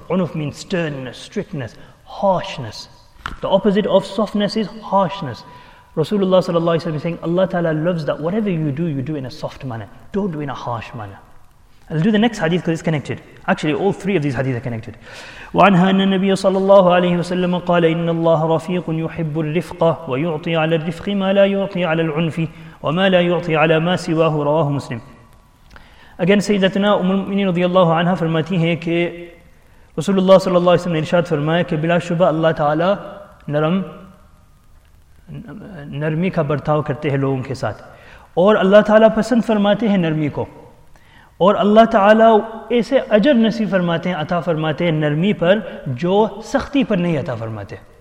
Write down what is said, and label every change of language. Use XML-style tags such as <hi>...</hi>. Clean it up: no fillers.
<en>Unuf means sternness, strictness, harshness. The opposite of softness is harshness. Rasulullah sallallahu alaihi wasallam saying, Allah Ta'ala loves that whatever you do in a soft manner. Don't do in a harsh manner. I'll do the next hadith because it's connected. Actually, all three of these hadith are connected.</en> <ar>وعنها أن النبي صلى الله عليه وسلم قال إن الله رفيق يحب الرفقة ويعطي على الرفق ما لا يعطي على العنف وما لا يعطي على ما سواه رواه مسلم.</ar> <en>Again,</en> <ur>سيدتنا أم المؤمنين رضي الله عنها فرماتي هي کہ رسول الله صلى الله عليه وسلم إرشاد فرمایا کہ بلا شبہ الله تعالى نرم نرمی کا برتاؤ کرتے ہیں لوگوں کے ساتھ اور اللہ تعالیٰ پسند فرماتے ہیں نرمی کو اور اللہ تعالیٰ ایسے اجر نصیب فرماتے ہیں عطا فرماتے ہیں نرمی پر جو سختی پر نہیں عطا فرماتے</ur>